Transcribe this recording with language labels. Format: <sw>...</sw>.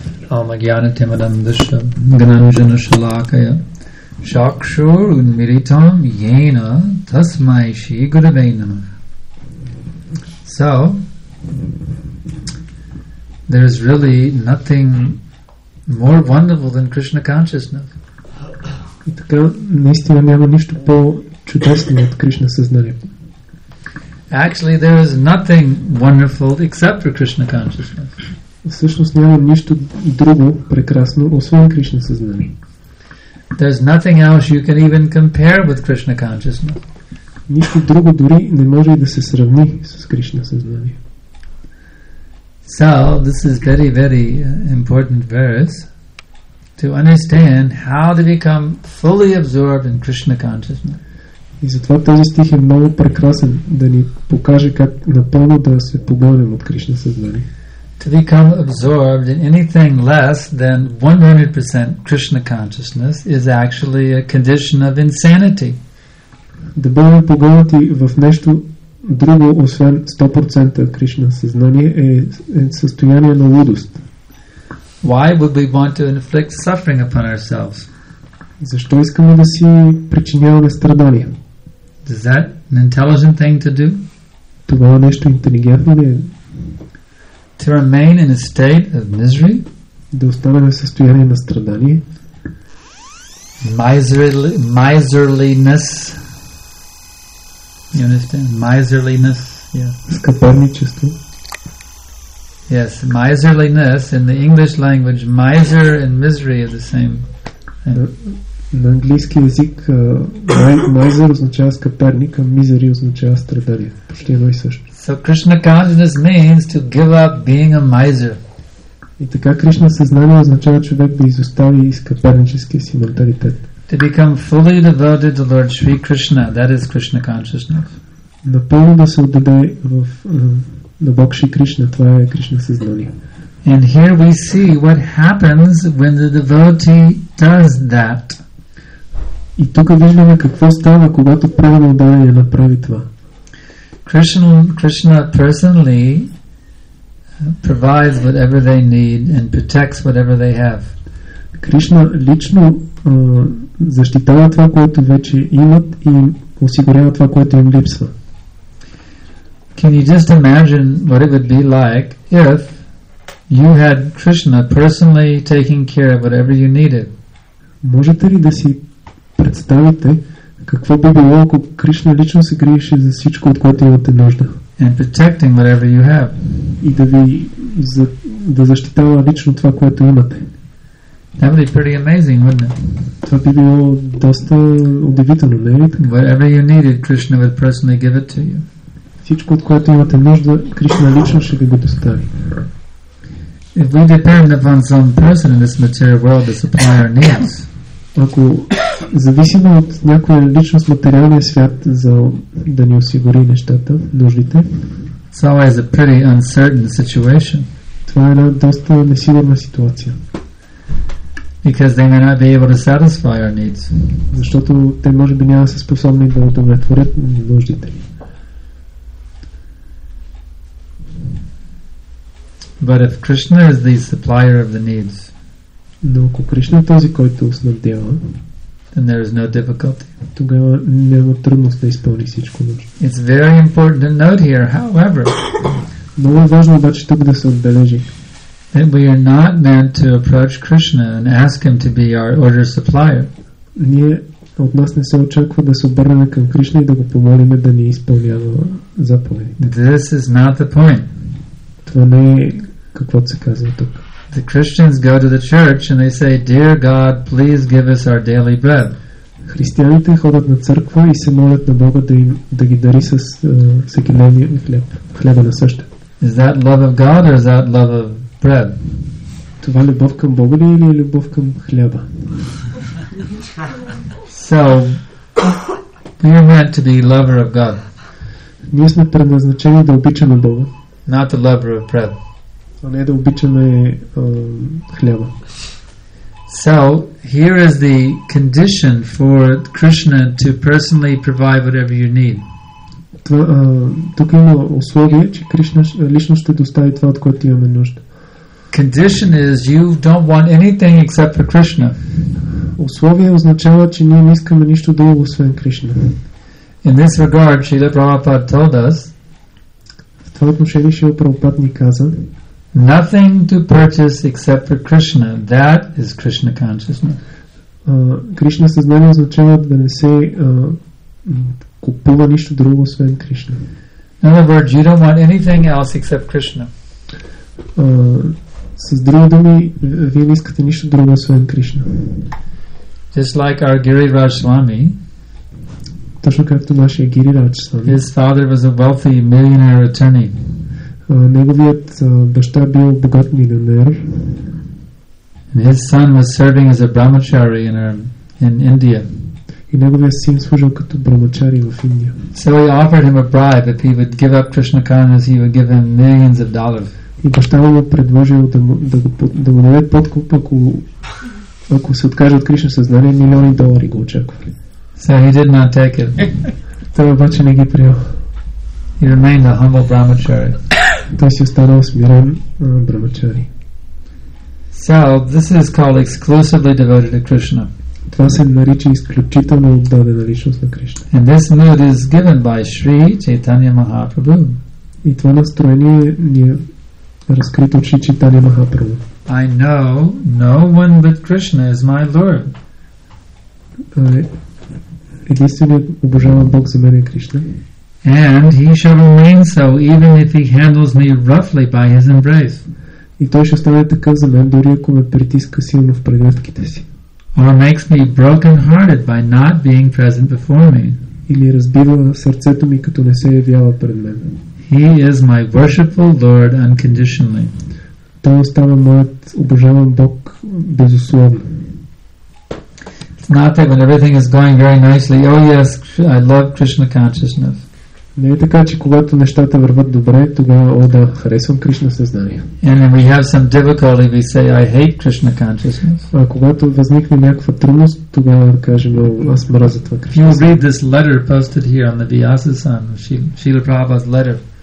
<sa>Amagyanatimadam Vishnam Gananjana Shalakaya Shakshur Unmiritam Yena Tasmai Shri Gurave Namah.</sa> <en>So, there's really nothing more wonderful than Krishna consciousness.</en> <bg>И така, наистина няма нищо по-чудесно от Кришна съзнание.</bg> <en>Actually, there is nothing wonderful except for Krishna consciousness.</en> <bg>Всъщност няма нищо друго прекрасно освен Кришна съзнание.</bg> <en>There's nothing else you can even compare with Krishna consciousness.</en> <bg>Нищо друго дори не може да се сравни с Кришна съзнание.</bg> <en>So, this is very, very important verse to understand how to become fully absorbed in Krishna consciousness.</en> <bg>И затова този стих е много прекрасен да ни покаже как напълно да се погълнем от Кришна съзнание.</bg> <en>To become absorbed in anything less than 100% Krishna consciousness is actually a condition of insanity.</en> <bg>Да бъдем погълнати в нещо друго освен 100% Кришна съзнание е състояние на лудост.</bg> <en>Why would we want to inflict suffering upon ourselves?</en> <bg>Защо искаме да си причиняваме страдания?</bg> <en>Is that an intelligent thing to do?</en> <bg>Това нещо интелигентно ли е?</bg> <en>To remain in a state of misery?</en> <bg>Да останаме в състояние на страдание?</bg> <en>Miserliness. You understand? Miserliness, yeah.</en> <bg>Скъперничество.</bg> <en>Yes, miserliness in the English language, miser and misery are the same.</en> <bg>На английски език miser означава скъперник, а misery означава страдание. Почти едно и също.</bg> <en>So Krishna consciousness means to give up being a miser.</en> <bg>И така Кришна съзнание означава човек да изостави скъперническия си менталитет.</bg> <en>To become fully devoted to Lord Shri Krishna, that is Krishna consciousness.</en> <bg>Напълно да се отдаде в на Бог Шри Кришна, това е Кришна съзнание.</bg> <en>And here we see what happens when the devotee does that.</en> <bg>И тук виждаме какво става, когато преданият даден направи това.</bg> <en>Krishna personally provides whatever they need and protects whatever they have.</en> <bg>Кришна лично защитава това, което вече имат и осигурява това, което им липсва.</bg> <en>Can you just imagine what it would be like if you had Krishna personally taking care of whatever you needed?</en> <bg>Можете ли да си представите какво би било, ако Кришна лично се грижеше за всичко, от което имате нужда?</bg> <en>And protecting whatever you have.</en> <bg>И да защитава лично това, което имате.</bg> <en>That would be pretty amazing, wouldn't it?</en> <bg>Това би било доста удивително, не ли?</bg> <en>Whatever you needed, Krishna would personally give it to you.</en> <bg>Всичко, от което имате нужда, Кришна лично ще ви го достави.</bg> <en>If we depend upon some person in this material world to supply our needs,</en> <bg>ако зависим от някоя личност в материалния свят за да ни осигури нещата, нуждите,</bg> <en>it's always a pretty uncertain situation.</en> <bg>Това е една доста несигурна ситуация.</bg> <en>Because they may not be able to satisfy our needs.</en> <bg>Защото те може би няма да са способни да удовлетворят нуждите.</bg> <en>But if Krishna is the supplier of the needs,</en> <bg>но ако Кришна е този, който снабдява,</bg> <en>then there is no difficulty.</en> <bg>Тогава няма трудност да изпълни всичко нужда.</bg> <en>It's very important to note here, however,</en> <bg>много е важно обаче тук да се отбележи,</bg> <en>that we are not meant to approach Krishna and ask him to be our order supplier.</en> <bg>Ние от нас не се очаква да се обърнем към Кришна и да го помолим да ни изпълнява заповедите.</bg> <en>This is not the point.</en> <bg>Това не е каквото се казва тук.</bg> <en>The Christians go to the church and they say, "Dear God, please give us our daily bread."</en> <bg>Християните ходят на църква и се молят на Бога да ги дари с всекидневния хляб, хляба на съща.</bg> <en>Is that love of God or is that love of bread?</en> <bg>Това любов към Бога ли или любов към хляба?</bg> <en>So, we are meant to be lover of God.</en> <bg>Ние сме предназначени да обичаме Бога.</bg> <en>not the lover of bread.</en> <bg>А не да обичаме хляба.</bg> <en>So, here is the condition for Krishna to personally provide whatever you need.</en> <bg>Тук има условие, че Кришна лично ще достави това, от което имаме нужда.</bg> <en>Condition is you don't want anything except for Krishna.</en> <bg>Условие означава, че ние не искаме нищо друго освен Кришна.</bg> <en>In this regard, Srila Prabhupada told us,</en> <bg>в това отношение Шрила Прабхупада ни каза,</bg> <en>nothing to purchase except for Krishna. That is Krishna consciousness.</en> <bg>Krishna съзнание означава да не се купува нищо друго освен Krishna.</bg> <en>In other words, you don't want anything else except Krishna.</en> <bg>С други думи, вие не искате нищо друго освен Krishna.</bg> <en>Just like our Giriraj Swami.</en> <bg>Точно както нашия Giriraj Swami.</bg> <en>His father was a wealthy millionaire attorney.</en> <bg>Неговият баща бил богат милионер.</bg> <en>His son was serving as a brahmachari in India.</en> <bg>И неговият син служил като брамачари в Индия.</bg> <en>So he offered him a bribe if he would give up Krishna consciousness, he would give him millions of dollars.</en> <bg>И баща му предложил да му даде подкуп, ако се откаже от Кришна съзнание, милиони долари го очаквали.</bg> <en>So he did not take it.</en> <bg>Той обаче не ги приел.</bg> <en>He remained a humble brahmachari.</en> <bg>Той си останал смирен брамачари.</bg> <en>So, this is called exclusively devoted to Krishna.</en> <bg>Това се нарича изключително отдадена личност на Кришна.</bg> <en>And this mood is given by Sri Chaitanya Mahaprabhu.</en> <bg>И това настроение ни е разкрито от Шри Чайтанья Махапрабху.</bg> <en>I know no one but Krishna is my Lord.</en> <bg>Единственият обожаван Бог за мен е Кришна.</bg> <en>And he shall remain so even if he handles me roughly by his embrace.</en> <bg>И той ще остане такъв за мен, дори ако ме притиска силно в прегръдките си.</bg> <en>Or makes me broken hearted by not being present before me.</en> <bg>Или разбива сърцето ми, като не се явява пред мен.</bg> <en>He is my worshipful Lord unconditionally.</en> <bg>Той остава моят обожаван Бог безусловно.</bg> <en>It's not that when everything is going very nicely, oh yes, I love Krishna consciousness.</en> <bg>Не е така, че когато нещата върват добре, тогава, о да, харесвам Кришна съзнание.</bg> <en>And when we have some difficulty, we say, I hate Krishna consciousness.</en> <bg>А когато възникне някаква трудност, тогава да кажем, о, аз мразя това Кришна съзнание.</bg> <en>You read this letter posted here on the Vyasasan, Srila Prabhupada's letter.</en>